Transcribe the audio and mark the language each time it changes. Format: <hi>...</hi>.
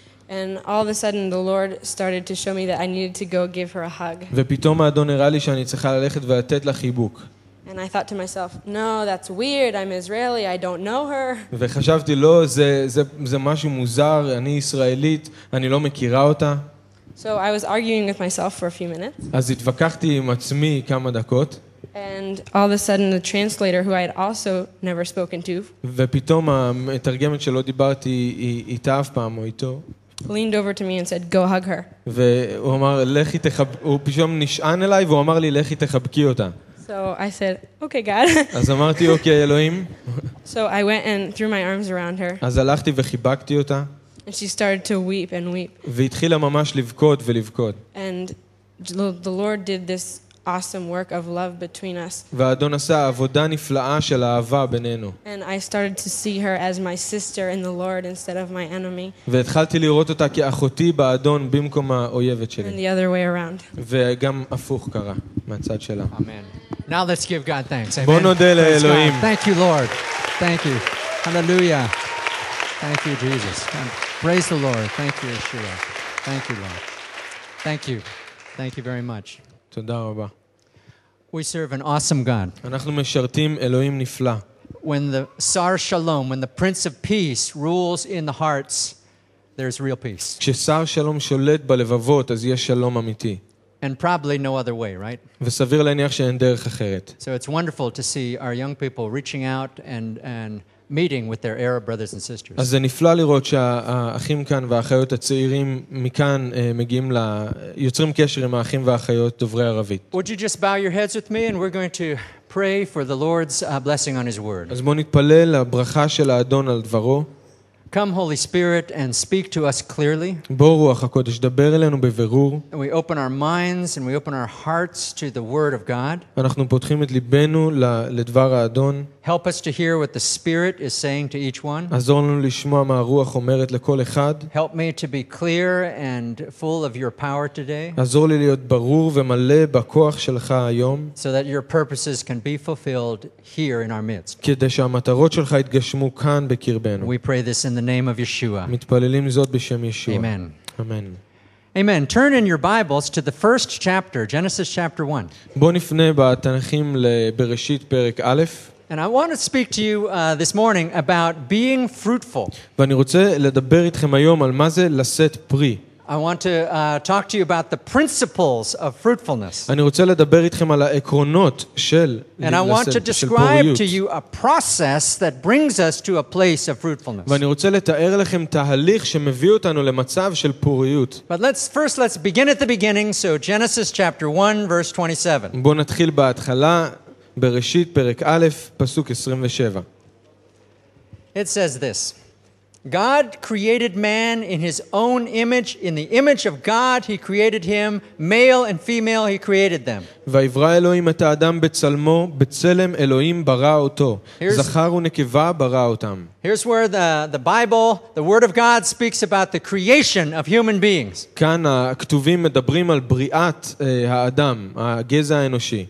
<en>And all of a sudden the Lord started to show me that I needed to go give her a hug.</en> <he>ופתאום האדון הראה לי שאני צריכה ללכת ולתת לה חיבוק.</he> <en>And I thought to myself, no, that's weird. I'm Israeli. I don't know her.</en> <he>וחשבתי, לא, זה משהו מוזר. אני ישראלית. אני לא מכירה אותה.</he> <en>So I was arguing with myself for a few minutes.</en> <he>אז התווכחתי עם עצמי כמה דקות.</he> <en>And all of a sudden, the translator, who I had also never spoken to,</en> <he>ופתאום המתרגמת שלא דיברתי איתה אף פעם או איתו,</he> <en>leaned over to me and said, go hug her.</en> <he>והוא אמר, לכי תחבקי, הוא פשוט נשען אליי והוא אמר לי, לכי תחבקי אותה.</he> <en>So I said, "Okay, God."</en> <he>אז אמרתי, "Okay, Elohim."</he> <en>So I went and threw my arms around her.</en> <he>אז הלכתי וחיבקתי אותה.</he> <en>And she started to weep and weep.</en> <he>והתחילה ממש לבכות ולבכות.</he> <en>And the Lord did this awesome work of love between us.</en> <he>והאדון עשה עבודה נפלאה של אהבה בינינו.</he> <en>And I started to see her as my sister in the Lord instead of my enemy.</en> <he>והתחלתי לראות אותה כאחותי באדון במקום האויבת שלי.</he> <en>And the other way around.</en> <he>וגם הפוך קרה מהצד שלה.</he> <en>Amen. Now let's give God thanks. Amen. Bono dele Elohim. Thank you, Lord. Thank you. Hallelujah. Thank you, Jesus. And praise the Lord. Thank you, Yeshua. Thank you, Lord. Thank you. Thank you very much.</en> <he>תודה רבה.</he> <en>We serve an awesome God.</en> <he>אנחנו משרתים אלוהים נפלא.</he> <en>When the Sar Shalom, when the Prince of Peace rules in the hearts, there's real peace.</en> <he>כששר שלום שולט בלבבות, אז יש שלום אמיתי.</he> <en>And probably no other way, right?</en> <he>וסביר להניח שאין דרך אחרת.</he> <en>So it's wonderful to see our young people reaching out and meeting with their Arab brothers and sisters.</en> <he>אז זה נפלא לראות שהאחים כאן והאחיות הצעירים מכאן מגיעים ליוצרים קשר עם האחים והאחיות דוברי ערבית.</he> <en>Would you just bow your heads with me and we're going to pray for the Lord's blessing on his word.</en> <he>אז בוא נתפלל לברכה של האדון על דברו.</he> <en>Come Holy Spirit and speak to us clearly.</en> <he>בוא רוח הקודש דבר אלינו בבירור.</he> <en>We open our minds and we open our hearts to the word of God.</en> <he>אנחנו פותחים את ליבנו לדבר האדון.</he> <en>Help us to hear what the Spirit is saying to each one.</en> <he>עזור לנו לשמוע מה הרוח אומרת לכל אחד.</he> <en>Help me to be clear and full of your power today.</en> <he>עזור לי להיות ברור ומלא בכוח שלך היום.</he> <en>So that your purposes can be fulfilled here in our midst.</en> <he>כדי שהמטרות שלך יתגשמו כאן בקרבנו.</he> <en>We pray this in the name of Yeshua.</en> <he>מתפללים זאת בשם ישוע.</he> <en>Amen. Amen. Amen. Turn in your Bibles to the first chapter, Genesis chapter 1.</en> <he>בוא נפנה בתנכים לבראשית פרק א'.</he> <en>And I want to speak to you this morning about being fruitful.</en> <he>ואני רוצה לדבר איתכם היום על מה זה לשאת פרי.</he> <en>I want to talk to you about the principles of fruitfulness.</en> <he>אני רוצה לדבר איתכם על העקרונות של</he> <en>And I want to describe to you a process that brings us to a place of fruitfulness.</en> <he>ואני רוצה לתאר לכם תהליך שמביא אותנו למצב של פוריות.</he> <en>But let's begin at the beginning, so Genesis chapter 1 verse 27.</en> <he>בוא נתחיל בהתחלה בראשית פרק א' פסוק 27.</he> <en>It says this. God created man in his own image, in the image of God he created him, male and female he created them.</en> <he>ויברא אלוהים את האדם בצלמו, בצלם אלוהים ברא אותו. זכר ונקבה ברא אותם.</he> <en>Here's where the Bible, the word of God speaks about the creation of human beings.</en> <he>כאן הכתובים מדברים על בריאת האדם, הגזע האנושי.</he>